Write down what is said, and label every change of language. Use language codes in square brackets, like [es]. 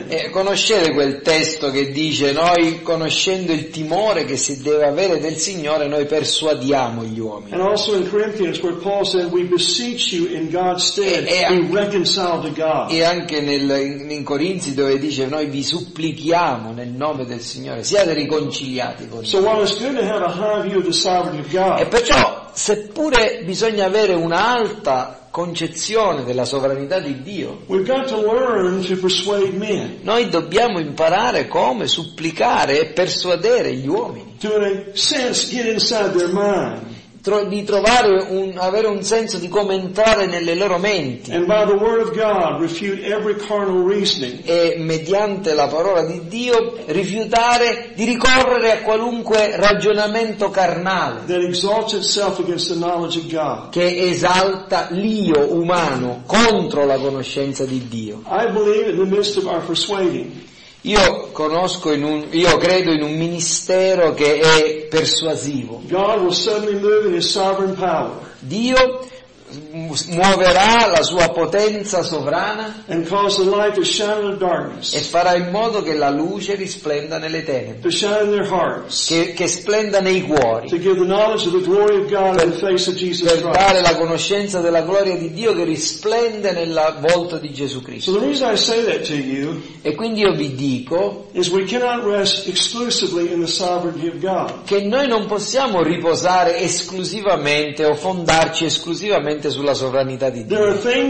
[it] Conoscete quel testo che dice, noi conoscendo il timore che si deve avere del Signore, noi persuadiamo gli uomini. [en] And also in Corinthians where Paul said, we beseech you in God's stead, be reconciled to God. [it] E anche in Corinzi dove dice, noi vi supplichiamo nel nome del Signore, siate riconciliati con so Dio. [en] It's good to have a high view of the sovereignty of God. [it] E perciò seppure bisogna avere un'alta concezione della sovranità di Dio, [en] we've got to learn to persuade men. [it] Noi dobbiamo imparare come supplicare e persuadere gli uomini. [en] To in a sense get inside their mind. [it] Di trovare avere un senso di come entrare nelle loro menti. [en] And by the word of God, refute every carnal reasoning. [it] E mediante la parola di Dio rifiutare di ricorrere a qualunque ragionamento carnale [en] that exalts itself against the knowledge of God. [it] Che esalta l'io umano contro la conoscenza di Dio. [en] I believe in the midst of our persuading. [it] Io conosco in un, io credo in un ministero che è persuasivo. [en] God will suddenly move in his sovereign power. [it] Dio muoverà la sua potenza sovrana [en] and cause the light to shine in the darkness. [it] E farà in modo che la luce risplenda nelle tenebre. [en] To shine in their hearts. [it] Che splenda nei cuori. [en] To give the knowledge of the glory of God in the face of Jesus Christ. [it] Per dare la conoscenza della gloria di Dio che risplende nel volto di Gesù Cristo. [en] So the reason I say that to you, [it] e quindi io vi dico, [en] is we cannot rest exclusively in the sovereignty of God. [it] Che noi non possiamo riposare esclusivamente o fondarci esclusivamente sulla sovranità di Dio.